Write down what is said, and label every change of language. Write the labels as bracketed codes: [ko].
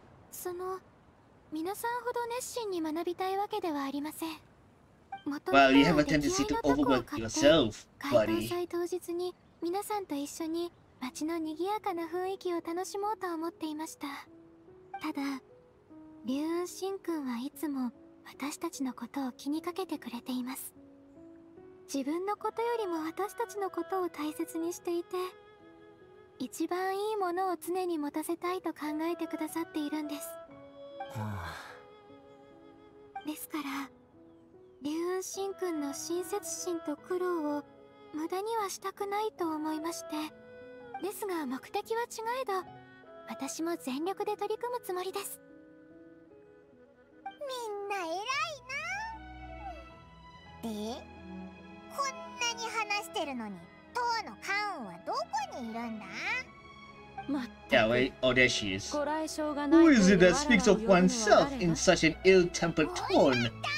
[ja] その皆さんほど熱心に学びたいわけではありません。 [en] Well, you have a tendency to overwork yourself, buddy. [ja] 開催祭当日に皆さんと一緒に町の賑やかな雰囲気を楽しもうと思っていました。ただ、リュウン・シン君はいつも私たちのことを気にかけてくれています。自分のことよりも私たちのことを大切にしていて、一番いいものを常に持たせたいと考えてくださっているんです。ですから、リュウン・シン君の親切心と苦労を無駄にはしたくないと思いまして。ですが目的は違えど、私も全力で取り組むつもりです。みんな偉いな。で、こんなに話してるのに、当のカウンはどこにいるんだ？まったく。 [en] Yeah, wait. Oh, there she is. Who is it that speaks of oneself in such an ill-tempered tone?